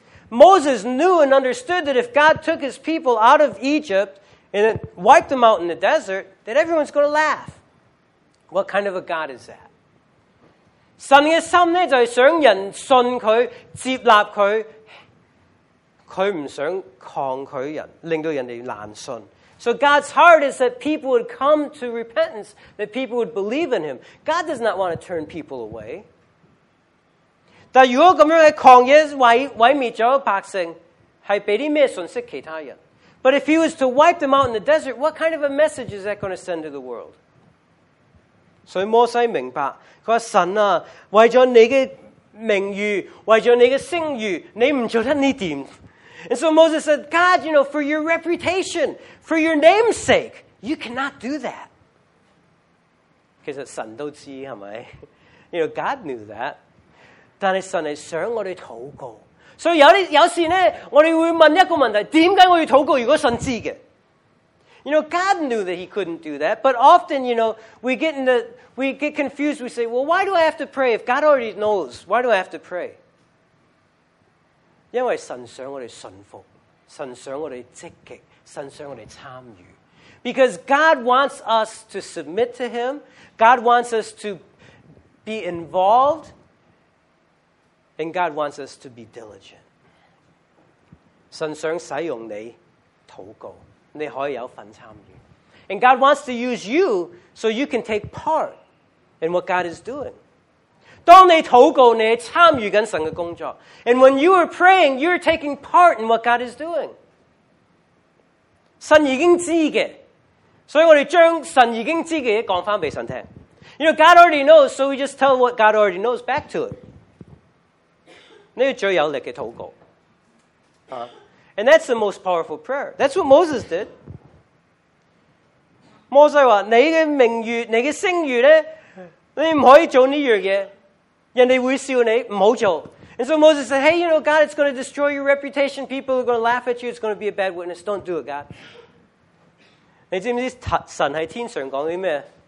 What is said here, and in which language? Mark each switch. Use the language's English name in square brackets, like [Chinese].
[English] Moses knew and understood that if God took his people out of Egypt and wiped them out in the desert, that everyone's going to laugh. What kind of a God is that? [Chinese] 神的心呢，就是想人信他，接纳他，他不想抗拒人，令到人家难信。 [English] So God's heart is that people would come to repentance, that people would believe in him. God does not want to turn people away. [Chinese] 但如果这样在旷野毁灭了百姓，是给什么信息其他人？ [English] But if he was to wipe them out in the desert, what kind of a message is that going to send to the world? [Chinese] 所以摩西明白，他说神啊，为了你的名誉，为了你的声誉，你不做得这点。 [English] And so Moses said, God, you know, for your reputation, for your name's sake, you cannot do that. [Chinese] 其实神都知道，是不是？ [English] You know, God knew that. [Chinese] 但是神是想我们祷告。所以有时呢，我们会问一个问题，为什么我要祷告如果神知道的？ [English] You know, God knew that he couldn't do that, but often, you know, we get confused, we say, well, why do I have to pray? If God already knows, why do I have to pray? [Chinese] 因为神想我们信服，神想我们积极，神想我们参与。 [English] Because God wants us to submit to him, God wants us to be involved, and God wants us to be diligent. [Chinese] 神想使用你祷告。你可以有份参与。 [English] And God wants to use you so you can take part in what God is doing. [Chinese] 当你祷告，你参与神的工作。 [English] And when you are praying, you're taking part in what God is doing. [Chinese] 神已经知的。所以我们将神已经知的讲返给神听。 [English] You know, God already knows, so we just tell what God already knows back to it. [Chinese] 你要最有力的祷告。 [English] And that's the most powerful prayer. That's what Moses did. [Chinese] Moses 说你的名誉你的声誉呢你不可以做这样的人家会笑你不要做。 [English] And so Moses said, hey, you know, God, it's going to destroy your reputation. People are going to laugh at you. It's going to be a bad witness. Don't do it, God. [Chinese] 你知不知道神在天上说什么